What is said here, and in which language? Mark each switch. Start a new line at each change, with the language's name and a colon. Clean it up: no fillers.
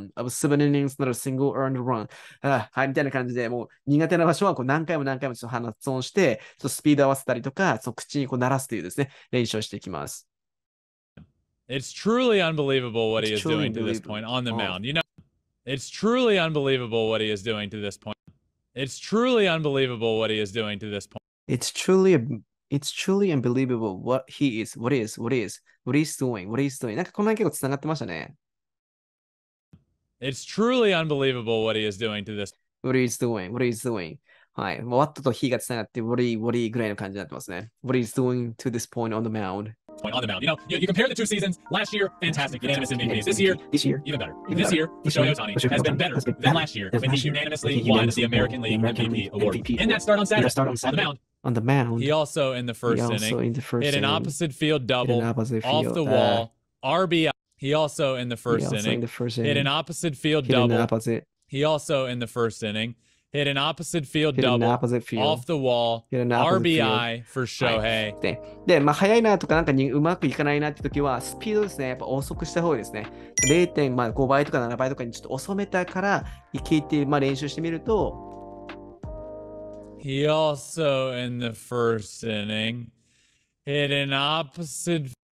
English: of seven innings not a single earned run.
Japanese: はい、みたいな感じで、もう苦手な場所はこう何回も何回もちょっと発音して、そうスピード合わせたりとか、そう口にこう鳴らすというですね、練習をしていきます。
English: It's truly unbelievable what he is doing to this point on the mound. You know, it's truly unbelievable what he is doing to this point. It's truly unbelievable what he is doing to this point. It's truly unbelievable what he is, what he's doing.
Japanese: なんかこの辺結構つながってましたね。
English: It's truly unbelievable what he is doing to this point. What he's doing.
Japanese: はい。What と he がつながって、what he ぐらいの感じになってますね。
English: What he's doing to this point on the mound. On the mound. You compare the two seasons. Last year, fantastic. Unanimous MVP. This year, even better. This year, Shohei Ohtani has been better than last year when he unanimously won the American League MVP award. In that start on Saturday, on the mound. He also, in the first inning, hit an opposite field double off the wall. RBI. He also, in the first inning, hit an opposite field double. He also, in the first inning, hit an opposite field double off the wall. RBI for Shohei.
Japanese: で、まあ、速いなとか、なんかにうまくいかないなって時は、スピードですね、やっぱ遅くした方ですね。 0.5 倍とか7倍とかにちょっと遅めたから、行きって、まあ、練習してみると。
English: He also in the first inning hit an opposite.